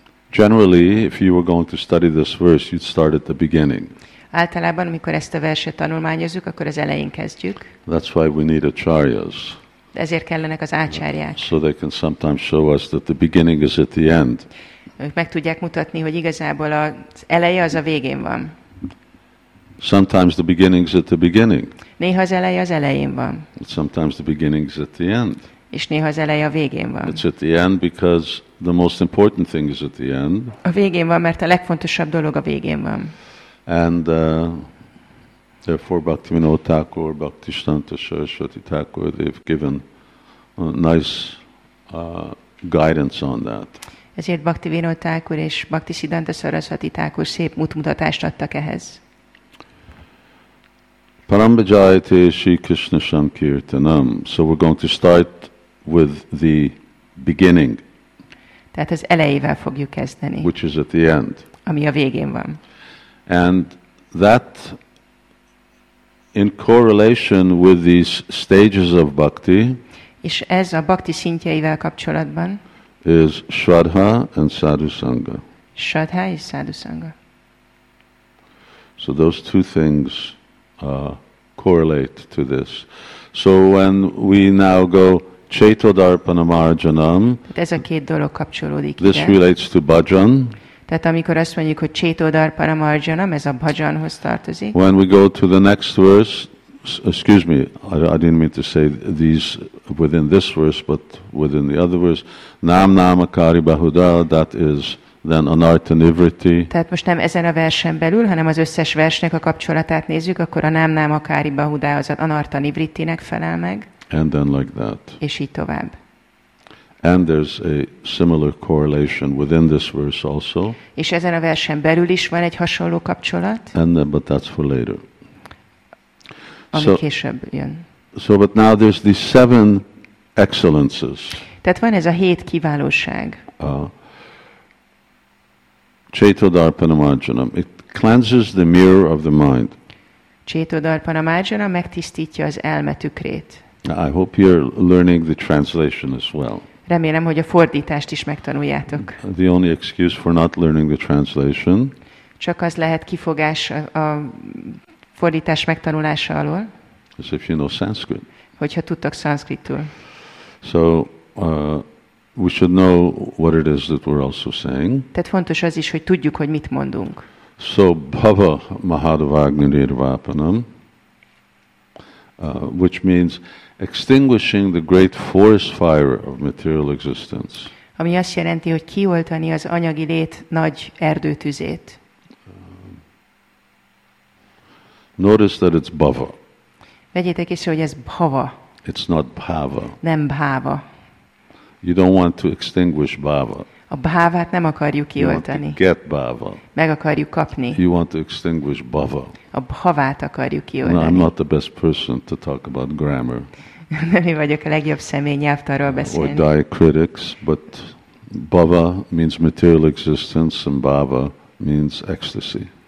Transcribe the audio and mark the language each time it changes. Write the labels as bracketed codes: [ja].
[en] Generally, if you were going to study this verse, you'd start at the beginning. [hu] Általában, amikor ezt a verset tanulmányozzuk, akkor az elején kezdjük. [en] That's why we need acharyas. [hu] Ezért kellenek az ácsárják. [en] So they can sometimes show us that the beginning is at the end. [hu] Ők meg tudják mutatni, hogy igazából az eleje az a végén van. [en] Sometimes the beginning is at the beginning. [hu] Néha az eleje az elején van. [en] But sometimes the beginning is at the end. [hu] És néha az eleje a végén van. [en] It's at the end because the most important thing is at the end. [hu] A végén van, mert a legfontosabb dolog a végén van. [en] And therefore Bhaktivinoda Thakur, Bhaktisiddhanta Saraswati Thakur, they've given a nice guidance on that. [hu] Ezért Bhaktivinoda Thakur és Bhaktisiddhanta Saraswati Thakur szép útmutatást adtak ehhez. [sa] Parambhajayate Shri Krishna Sankirtanam. [en] So we're going to start with the beginning. [hu] Tehát az elejével fogjuk kezdeni. [en] Which is at the end. [hu] Ami a végén van. [en] And that in correlation with these stages of bhakti. [hu] És ez a bhakti szintjeivel kapcsolatban. [en] Is Shraddha and Sadhu Sangha. [hu] Shraddha és Sadhu Sangha. [en] So those two things correlate to this. So when we now go Chaito Darpana Marjanam, [hu] ez a két dolog kapcsolódik ide. [en] This relates to bhajan. [hu] Tehát amikor azt mondjuk, hogy Chaito Darpana Marjanam, ez a bhajanhoz tartozik. [en] When we go to the next verse, excuse me, I didn't mean to say these within this verse, but within the other verse, Nam Nama Kari Bahuda, that is then anartha nivritti. [hu] Tehát most nem ezen a versen belül, hanem az összes versnek a kapcsolatát nézzük, akkor a nám nám akári bahudá az anartha nivrittinek felel meg. [en] And then like that. [hu] És így tovább. [en] And there's a similar correlation within this verse also. [hu] És ezen a versen belül is van egy hasonló kapcsolat. [en] And then, but that's for later. [hu] Ami so, később jön. [en] So but now there's the seven excellences. [hu] Tehát van ez a hét kiválóság. [en] Chaito Darpana Marjanam. It cleanses the mirror of the mind. [hu] Chaito Darpana Marjanam megtisztítja az elme tükrét. [en] I hope you're learning the translation as well. [hu] Remélem, hogy a fordítást is megtanuljátok. [en] The only excuse for not learning the translation. [hu] Csak az lehet kifogás a fordítás megtanulása alól. [en] As if you know Sanskrit. [hu] Hogyha tudtok szanszkritul. [en] So, we should know what it is that we're also saying. [hu] Tehát fontos az is, hogy tudjuk, hogy mit mondunk. [en] So bhava mahadvagnirvapanam, which means extinguishing the great forest fire of material existence. [hu] Ami azt jelenti, hogy kioltani az anyagi lét nagy erdőtüzét. [en] Notice that it's bhava. [hu] Vegyétek észre, hogy ez bhava. [en] It's not bhava. [hu] Nem bhava. [en] You don't want to extinguish bhava. [hu] A bhávát nem akarjuk kioltani. [en] You want to get bhava. [hu] Meg akarjuk kapni. [en] You want to extinguish bhava. [hu] A bhavát akarjuk kioltani. [en] No, I'm not the best person to talk about grammar. [hu] Nem én vagyok a legjobb személy nyelvtanról beszélni. [en] Or diacritics, but bhava means material existence and bhava means ecstasy.